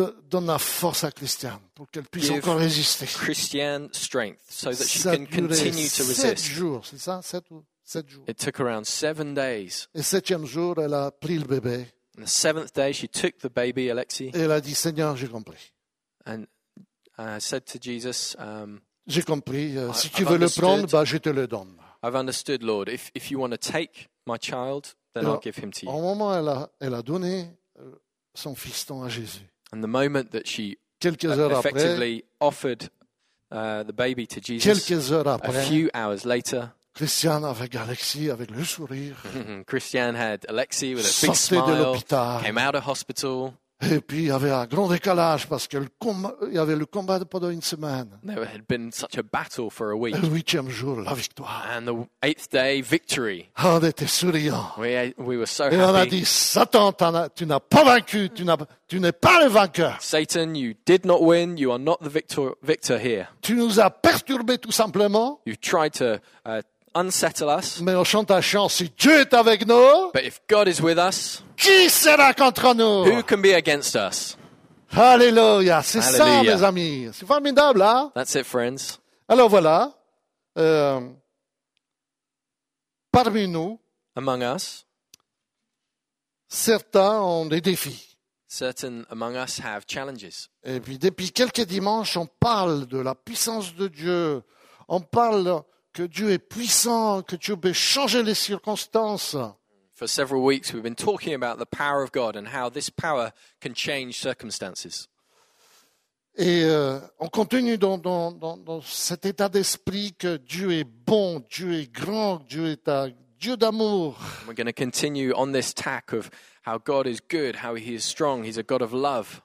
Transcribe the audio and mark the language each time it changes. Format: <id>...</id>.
<fr>Donne la force à Christiane pour qu'elle puisse encore résister.</fr> <en>Christiane strength so that she can continue to resist.</en> <fr>7 jours, c'est ça? 7 jours.</fr> <en>It took around 7 days.</en> <fr>Et 7e jour, elle a pris le bébé.</fr> <en>And the seventh day, she took the baby, Alexi.</en> <fr>Et elle a dit, Seigneur, j'ai compris.</fr> <en>And I said to Jesus,</en> <fr>j'ai compris. Si tu veux le prendre, bah, je te le donne.</fr> <en>I've understood, Lord. If you want to take my child, then I'll give him to you.</en> <fr>Au moment, elle a donné son fiston à Jésus.</fr> <en>And the moment that she effectively offered the baby to Jesus,</en> <fr>quelques heures après,</fr> <en>a few hours later,</en> <fr>Christiane avec Alexis avec le sourire.</fr> <en>Christiane had Alexis with a big smile. Came out of hospital.</en> <fr>Et puis il y avait un grand décalage parce qu'il y avait le combat pendant une semaine.</fr> <en>There had been such a battle for a week.</en> <fr>Le 8e jour, la victoire.</fr> <en>And the 8th day, victory.</en> <fr>On était souriants.</fr> <en>We were so happy.</en> <fr>Et on a dit, Satan, tu n'as pas vaincu, tu n'es pas le vainqueur.</fr> <en>Satan, you did not win, you are not the victor here.</en> <fr>Tu nous as perturbés tout simplement.</fr> <en>You tried to unsettle us.</en> <fr>Mais on chante un chant, si Dieu est avec nous.</fr> <en>But if God is with us.</en> <fr>Qui sera contre nous?</fr> <en>Who can be against us?</en> <fr>Alléluia, c'est Alléluia. Ça, mes amis. C'est formidable, hein?</fr> <en>That's it, friends.</en> <fr>Alors voilà. parmi nous,</fr> <en>among us,</en> <fr>certains ont des défis.</fr> <en>Certain among us have challenges.</en> <fr>Et puis depuis quelques dimanches, on parle de la puissance de Dieu. On parle que Dieu est puissant, que Dieu peut changer les circonstances.</fr> <en>For several weeks, we've been talking about the power of God and how this power can change circumstances.</en> <fr>Et on continue dans cet état d'esprit que Dieu est bon, Dieu est grand, Dieu est un Dieu d'amour.</fr> <en>We're going to continue on this tack of how God is good, how he is strong, he's a God of love.</en>